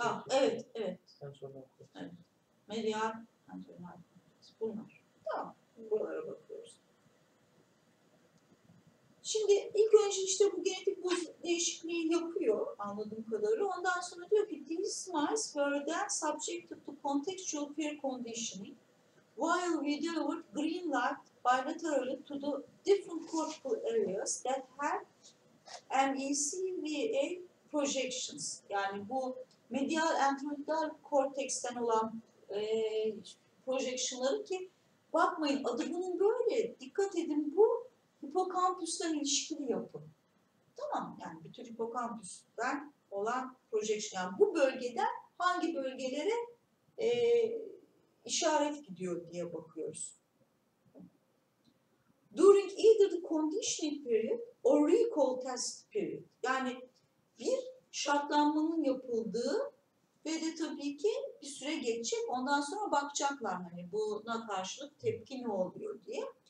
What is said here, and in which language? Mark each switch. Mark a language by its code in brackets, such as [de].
[tr] Evet. Evet. Sen sormak korteksin. Evet. Medial, antrenal, bunlar. Tamam, buralara bakıyoruz. Şimdi ilk önce işte bu genetik bu değişikliği yapıyor anladığım kadarıyla. Ondan sonra diyor ki, [en] these mice were then subjected to contextual fear conditioning while we delivered green light bilaterally to the different cortical areas that had MECVA projections. [tr] Yani bu medial antrenal korteksten olan projeksiyonları ki bakmayın adı bunun böyle dikkat edin bu hipokampüsle ilişkili yapı. Tamam yani bütün hipokampüsten olan projeksiyon yani bu bölgeden hangi bölgelere işaret gidiyor diye bakıyoruz. [en] during either the conditioning period or recall test period. [tr] Yani bir şartlanmanın yapıldığı ve de tabii ki bir süre geçecek, ondan sonra bakacaklar hani buna karşılık tepki ne oluyor diye.